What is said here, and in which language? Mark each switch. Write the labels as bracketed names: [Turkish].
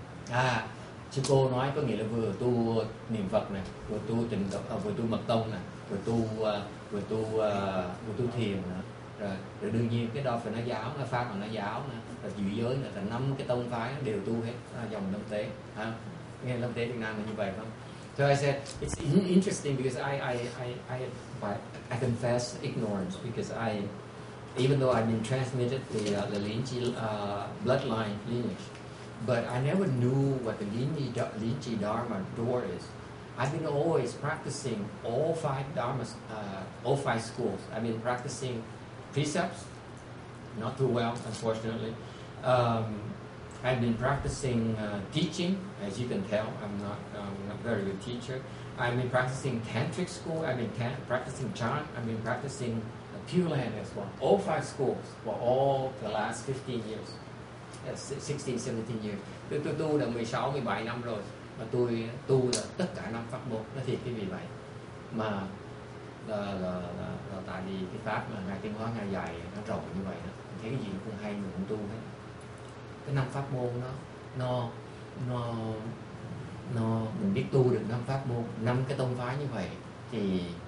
[Vietnamese] À, chứ cô nói có nghĩa là vừa tu niệm Phật này, vừa tu tịnh độ, vừa tu mật tông này, vừa tu thiền này. Rồi đương nhiên cái đó phải nói giáo, là pháp mà nói giáo nè, là dị giới nè, là năm cái tông phái đều tu hết dòng lâm tế. À, nghe lâm tế Việt Nam là như vậy không? [English] So I said it's interesting because I confess ignorance, because I, even though I've been transmitted the Lin Chi bloodline lineage, but I never knew what the Lin Chi Dharma door is. I've been always practicing all five dharmas, all five schools. I've been practicing precepts, not too well, unfortunately. I've been practicing teaching, as you can tell, I'm not a very good teacher. I've been practicing tantric school, I've been practicing chan, I've been practicing Pure Land as well. All five schools for all the last 15 years. 16-17 years. [Vietnamese] Tôi tu là 16-17 năm rồi, mà tôi tu là tất cả năm pháp môn, nó thiệt cái vì vậy. Mà là tại vì cái pháp mà ngài tiến hóa ngài dạy nó rộng như vậy đó, mình thấy cái gì cũng hay, mình cũng tu hết. Cái năm pháp môn đó, nó mình biết tu được năm pháp môn, năm cái tông phái như vậy, thì